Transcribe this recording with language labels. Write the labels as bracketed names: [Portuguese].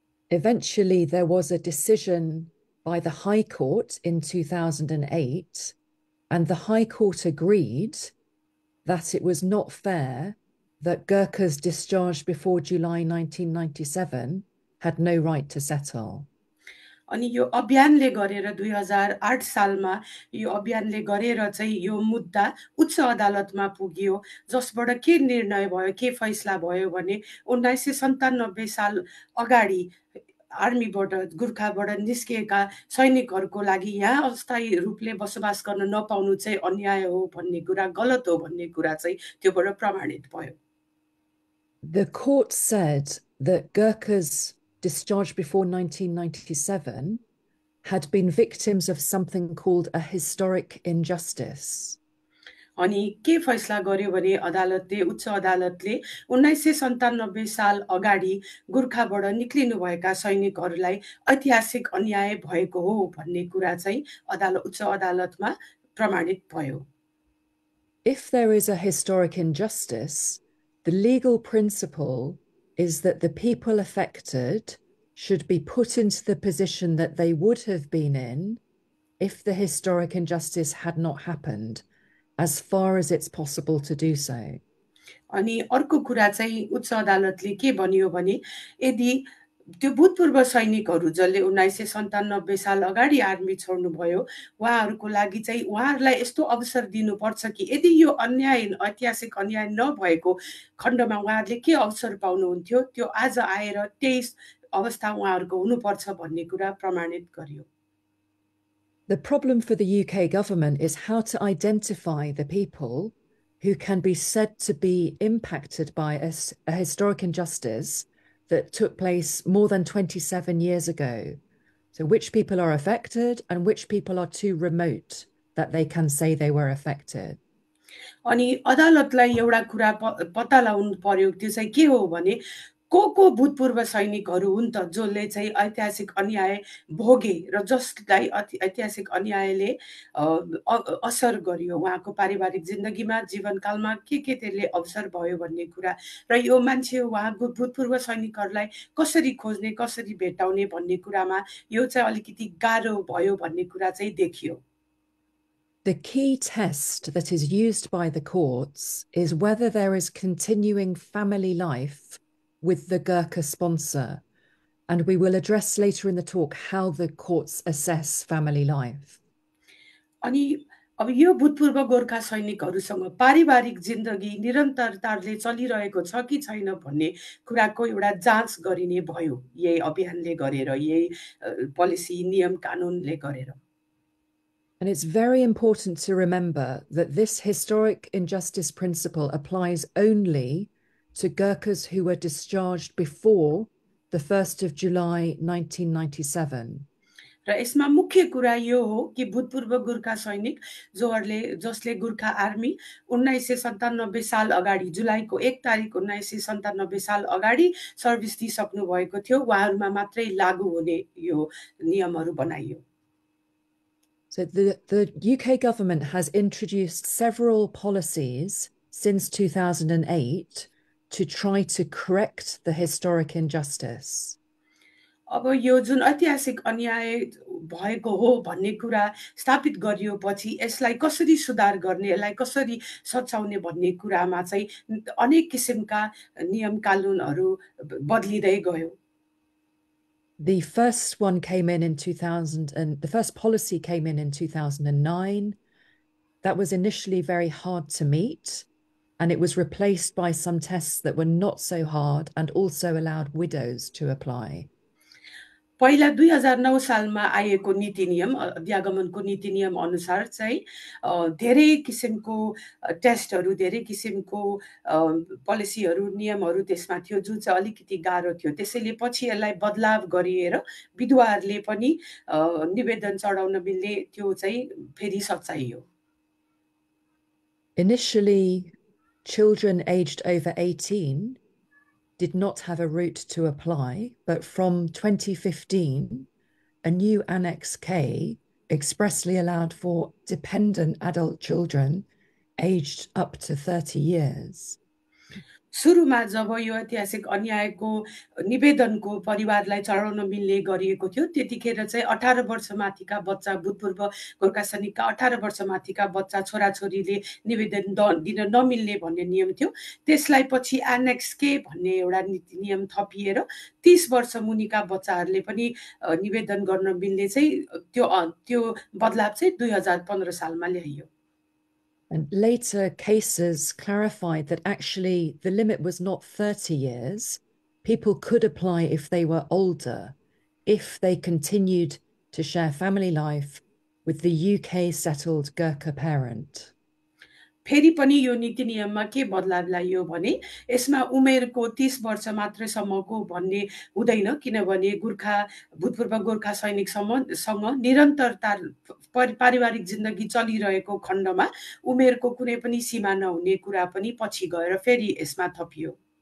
[English] Eventually, there was a decision by the High Court in 2008, and the High Court agreed that it was not fair that Gurkhas discharged before July 1997 had no right to settle. [Nepali] अनि यो अभियानले गरेर 2008 सालमा यो अभियानले गरेर चाहिँ यो मुद्दा उच्च अदालतमा पुग्यो, जसबाट के निर्णय भयो, के फैसला भयो भने 1997 साल अगाडि आर्मीबाट गुर्खाबाट निस्किएका सैनिकहरूको लागि यहाँ अस्थायी रूपले बसोबास गर्न नपाउनु चाहिँ अन्याय हो भन्ने कुरा, गलत हो भन्ने कुरा चाहिँ त्योबाट प्रमाणित भयो। [English] The court said that Gurkhas discharged before 1997 had been victims of something called a historic injustice. [Nepali] अनि के फैसला गर्यो भने अदालतले, उच्च अदालतले 1997 साल अगाडि गोर्खाबाट निक्लिनुभएका सैनिकहरूलाई ऐतिहासिक अन्याय भएको हो भन्ने कुरा चाहिँ उच्च अदालतमा प्रमाणित भयो। [English] If there is a historic injustice, the legal principle is that the people affected should be put into the position that they would have been in if the historic injustice had not happened, as far as it's possible to do so. [Nepali] अनि अर्को कुरा चाहिँ उच्च अदालतले के भनियो भने यदि त्यो भूतपूर्व सैनिकहरू जसले 1997 साल अगाडि आर्मी छोड्नुभयो उहाँहरूको लागि चाहिँ उहाँहरूलाई यस्तो अवसर दिनुपर्छ कि यदि यो अन्याय ऐतिहासिक अन्याय नभएको खण्डमा उहाँहरूले के अवसर पाउनुहुन्थ्यो त्यो आज आएर त्यही अवस्था उहाँहरूको हुनुपर्छ भन्ने कुरा प्रमाणित गरियो। [English] The problem for the UK government is how to identify the people who can be said to be impacted by a historic injustice that took place more than 27 years ago. So, which people are affected and which people are too remote that they can say they were affected? [Nepali] अनि अदालतलाई एउटा कुरा पत्ता लगाउनु पर्यो, त्यो चाहिँ के हो भने को को भूतपूर्व सैनिकहरू हुन् त जसले चाहिँ ऐतिहासिक अन्याय भोगे र जसलाई ऐतिहासिक अन्यायले असर गरियो उहाँको पारिवारिक जिन्दगीमा, जीवनकालमा के त्यसले अवसर भयो भन्ने कुरा, र यो मान्छे उहाँको भूतपूर्व सैनिकहरूलाई कसरी खोज्ने, कसरी भेटाउने भन्ने कुरामा यो चाहिँ अलिकति गाह्रो भयो भन्ने कुरा चाहिँ देखियो। [English] The key test that is used by the courts is whether there is continuing family life with the Gurkha sponsor. And we will address later in the talk how the courts assess family life. [Nepali] अनि अब यो भूतपूर्व गोर्खा सैनिकहरूसँग पारिवारिक जिन्दगी निरन्तरताले चलिरहेको छ कि छैन भन्ने कुराको एउटा जाँच गरिने भयो यही अभियानले गरेर, यही पोलिसी नियम कानुनले गरेर। [English] And it's very important to remember that this historic injustice principle applies only to Gurkhas who were discharged before the 1st of July 1997. [Nepali] र यसमा मुख्य कुरा यो हो कि भूतपूर्व गुर्खा सैनिक जोहरूले जसले गुर्खा आर्मी 1997 साल अगाडि जुलाईको 1 तारिक 1997 साल अगाडि सर्भिस दिइसक्नु भएको थियो उहाँहरूमा मात्रै लागू हुने यो नियमहरू बनाइयो। [English] So the UK government has introduced several policies since 2008 to try to correct the historic injustice. [Nepali] अब यो जुन ऐतिहासिक अन्याय भएको हो भन्ने कुरा स्थापित गरियोपछि यसलाई कसरी सुधार गर्ने, यसलाई कसरी सच्याउने भन्ने कुरामा चाहिँ अनेक किसिमका नियम कानुनहरू बदलिँदै गयो। [English] The first one came in 2000, and the first policy came in 2009. That was initially very hard to meet, and it was replaced by some tests that were not so hard and also allowed widows to apply. [Nepali] पहिला 2009 सालमा आएको नीति नियम व्यागमनको नीति नियम अनुसार चाहिँ धेरै किसिमको टेस्टहरू, धेरै किसिमको पोलिसीहरू, नियमहरू त्यसमा थियो जुन चाहिँ अलिकति गाह्रो थियो। त्यसैले पछि यसलाई बदलाव गरिएर विधवाहरूले पनि निवेदन चढाउन मिल्ने त्यो चाहिँ फेरि सच्याइयो। [English] Initially, children aged over 18 did not have a route to apply, but from 2015, a new Annex K expressly allowed for dependent adult children aged up to 30 years. [Nepali] सुरुमा जब यो ऐतिहासिक अन्यायको निवेदनको परिवारलाई चढाउन मिल्ने गरिएको थियो त्यतिखेर चाहिँ 18 वर्षमाथिका बच्चा, भूतपूर्व गोर्खा सैनिकका 18 वर्षमाथिका बच्चा छोराछोरीले निवेदन दिन नमिल्ने भन्ने नियम थियो। त्यसलाई पछि एनएक्स के भन्ने एउटा नीति नियम थपिएर 30 वर्ष मुनिका बच्चाहरूले पनि निवेदन गर्न मिल्ने चाहिँ त्यो बदलाव चाहिँ 2015 सालमा ल्याइयो। [English] And later cases clarified that actually the limit was not 30 years. People could apply if they were older, if they continued to share family life with the UK settled Gurkha parent. [Nepali] फेरि पनि यो नीति नियममा के बदलाव ल्यायो भने यसमा उमेरको 30 वर्ष मात्रसम्मको भन्ने हुँदैन, किनभने गोर्खा, भूतपूर्व गोर्खा सैनिकसँग निरन्तरता पारिवारिक जिन्दगी चलिरहेको खण्डमा उमेरको कुनै पनि सीमा नहुने कुरा पनि पछि गएर फेरि यसमा थपियो।